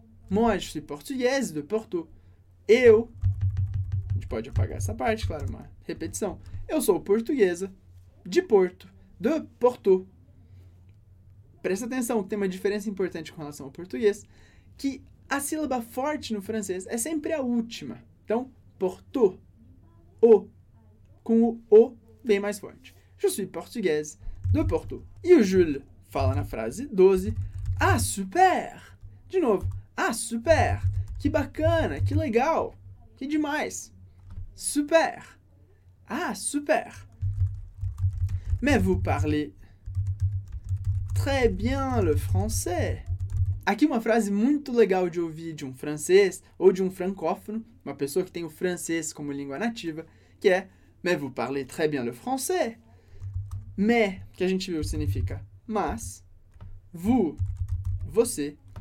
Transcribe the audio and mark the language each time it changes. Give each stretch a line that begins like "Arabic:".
French: Moi, je suis portugaise de Porto.
Portuguese: Eu. A gente pode apagar essa parte, claro, uma repetição. Eu sou portuguesa de Porto. De Porto. Presta atenção, tem uma diferença importante com relação ao português, que a sílaba forte no francês é sempre a última. Então, Porto. O. Com o bem mais forte.
French: Je suis portugaise de Porto.
Portuguese: E o Jules fala na frase 12. Ah, super! De novo. Ah, super! Que bacana, que legal, que demais. Super! Ah, super!
French: Mais vous parlez très bien le français.
Portuguese: Aqui uma frase muito legal de ouvir de um francês ou de um francófono, uma pessoa que tem o francês como língua nativa, que é
French: mais vous parlez très bien le français.
Portuguese: Mais, que a gente viu, significa mas. Vous, você.